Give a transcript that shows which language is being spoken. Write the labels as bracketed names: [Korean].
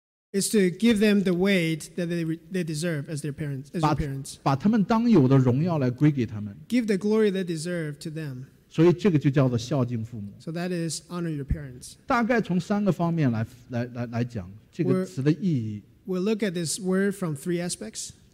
[English] is to give them the weight that they deserve as their parents. As your parents. [Chinese] 把他们当有的荣耀来归给他们。 [English] Give the glory they deserve to them. [Chinese] 所以这个就叫做孝敬父母。 [English] So that is honor your parents. [Chinese] 大概从三个方面来讲这个词的意义。 [English] We'll look at this word from three aspects.